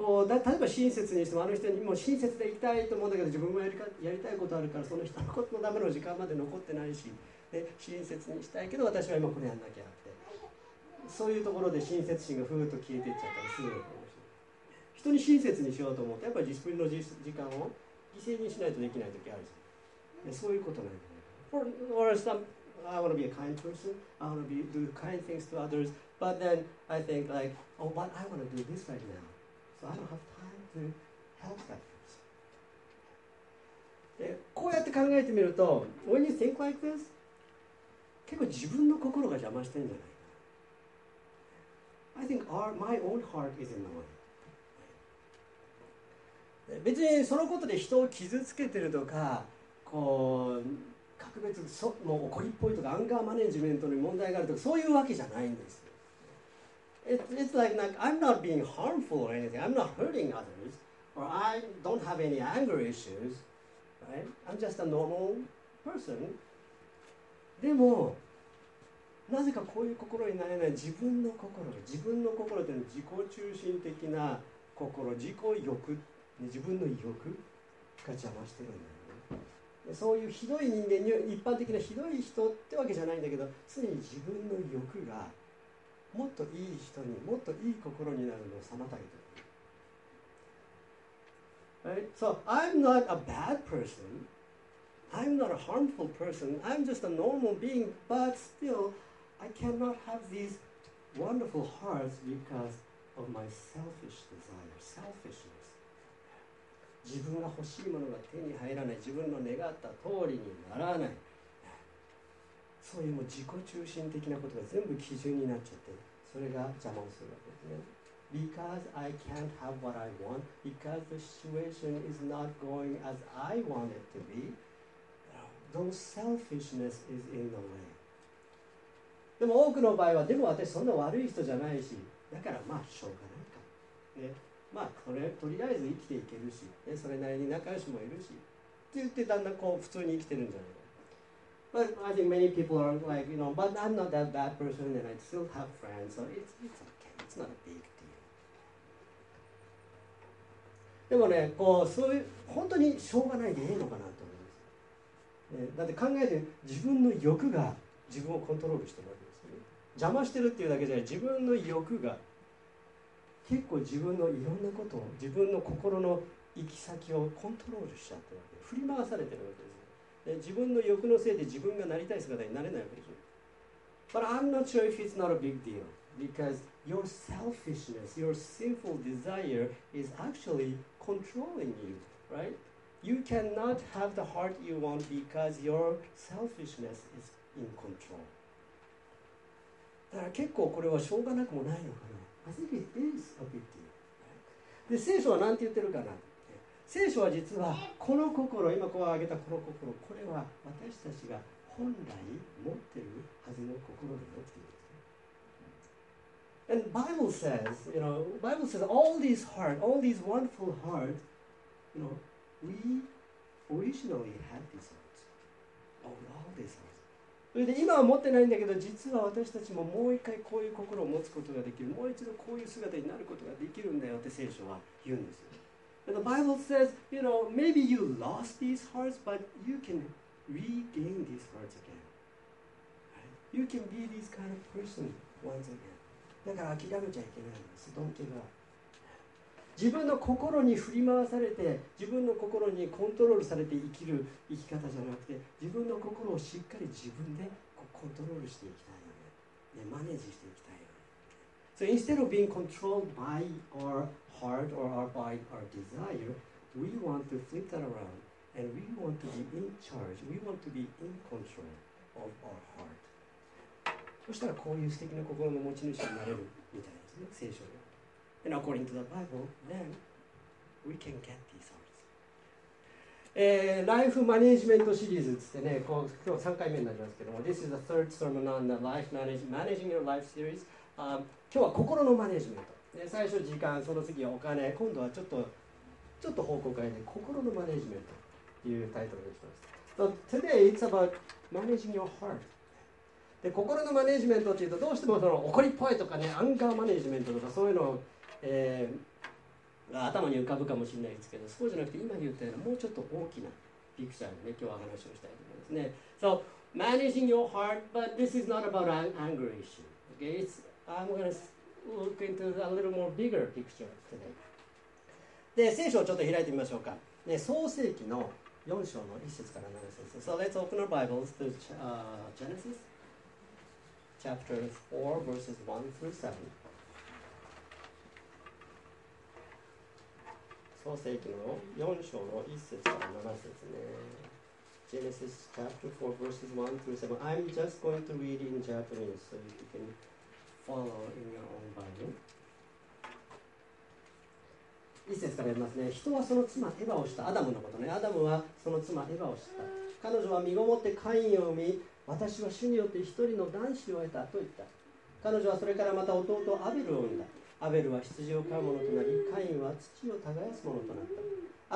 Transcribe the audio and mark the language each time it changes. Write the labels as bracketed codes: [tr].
[ja] こう例えば親切にしてもあの人にも親切でいたいと思うんだけど自分もやりたいことあるからその人のことのための時間まで残ってないしで親切にしたいけど私は今これやんなきゃってそういうところで親切心がふーっと消えていっちゃったりするのかもしれない。人に親切にしようと思うとやっぱり自分の時間を犠牲にしないとできない時あるじゃん。でそういうことなんだよね。 [en] For some, I want to be a kind person. I want to be, do kind things to others. But then I think like, oh, but I want to do this right now. So I don't have time to help that person. [ja] でこうやって考えてみると [en] When you think like this [ja] 結構自分の心が邪魔してるんじゃないかな。 [en] I think my own heart is in the way. [ja] 別にそのことで人を傷つけてるとかこう格別もう怒りっぽいとかアンガーマネジメントに問題があるとかそういうわけじゃないんです。 [en] It's like, I'm not being harmful or anything. I'm not hurting others. Or I don't have any anger issues. Right? I'm just a normal person. [ja] でもなぜかこういう心になれない自分の心が自分の心っていうのは自己中心的な心自己欲自分の意欲が邪魔してるんだよね。そういうひどい人間に一般的なひどい人ってわけじゃないんだけど常に自分の欲がもっといい人にもっといい心になるのを妨げてる。 [en] Right? So I'm not a bad person. I'm not a harmful person. I'm just a normal being. But still, I cannot have these wonderful hearts because of my selfish desire, selfishness. [ja] 自分が欲しいものが手に入らない自分の願った通りにならないそういうもう自己中心的なことが全部基準になっちゃってそれが邪魔をするわけですね。 [en] Because I can't have what I want because the situation is not going as I want it to be those selfishness is in the way. [ja] でも多くの場合はでも私そんな悪い人じゃないしだからまあしょうがないかね。まあそれとりあえず生きていけるし、ね、それなりに仲良しもいるしって言ってだんだんこう普通に生きてるんじゃないか。 [en] But I think many people are like, you know, but I'm not that bad person and I still have friends, so it's okay, it's not a big deal. [ja] でもね、こうそういう本当にしょうがないでいいのかなと思います、ね、だって考えて自分の欲が自分をコントロールしてるわけですよね。邪魔してるっていうだけじゃない自分の欲が結構自分のいろんなことを自分の心の行き先をコントロールしちゃってるわけで振り回されてるわけですで自分の欲のせいで自分がなりたい姿になれないわけでしょ。 [en] But I'm not sure if it's not a big deal because your selfishness, your sinful desire is actually controlling you, right? You cannot have the heart you want because your selfishness is in control. [ja] だから結構これはしょうがなくもないのかな。 [en] I think it is a big deal. [ja] で聖書は何て言ってるかな。聖書は実はこの心今こう挙げたこの心これは私たちが本来持ってるはずの心だよっていうんです。 [en] And Bible says, you know, Bible says all these heart, all these wonderful heart, you know, we originally had these hearts. All these hearts. [ja] それで今は持ってないんだけど実は私たちももう一回こういう心を持つことができるもう一度こういう姿になることができるんだよって聖書は言うんですよ。 [en] The Bible says, you know, maybe you lost these hearts but you can regain these hearts again. You can be this kind of person once again. [ja] だから諦めちゃいけないんです。ドンケが自分の心に振り回されて自分の心にコントロールされて生きる生き方じゃなくて自分の心をしっかり自分でコントロールしていきたいよね。ね、マネージしていきたいよね。 [en] So instead of being controlled by our heart or by our desire, we want to flip that around and we want to be in charge, we want to be in control of our heart. [ja] そしたらこういう素敵な心の持ち主になれるみたいですね、聖書で。 [en] And according to the Bible, then we can get these hearts. Life Management Series [ja] ってね、こう今日3回目になりますけども、 [en] This is the third sermon on the Life Managing Your Life Series. [ja] 今日は心のマネジメント。最初時間、その次はお金、今度はちょっと方向変えて、心のマネジメントというタイトルにします。 [en] So today it's about managing your heart. [ja] で心のマネジメントっていうとどうしてもその怒りっぽいとかねアンガーマネジメントとかそういうのを、頭に浮かぶかもしれないですけど、そうじゃなくて今言ったようなもうちょっと大きなピクチャーでね、今日は話をしたいと思いますね。 [en] So, managing your heart, but this is not about an anger issue. Okay, it's, I'm going to look into a little more bigger picture today. [ja] で、聖書をちょっと開いてみましょうか。ね、創世記の4章の1節から7節。 [en] So, let's open our Bibles to Genesis chapter 4, verses 1 through 7. [ja] 創世記の4章の1節から7節ね。 [en] Genesis chapter 4 verses 1 through 7. I'm just going to read in Japanese so you can follow in your own Bible. [ja] 1節から読みますね。人はその妻エヴァを知った。アダムのことね。アダムはその妻エヴァを知った。彼女は身ごもってカインを産み、私は主によって一人の男子を得たと言った。彼女はそれからまた弟アベルを産んだ。アベルは羊を飼う者となり、カインは土を耕す者となった。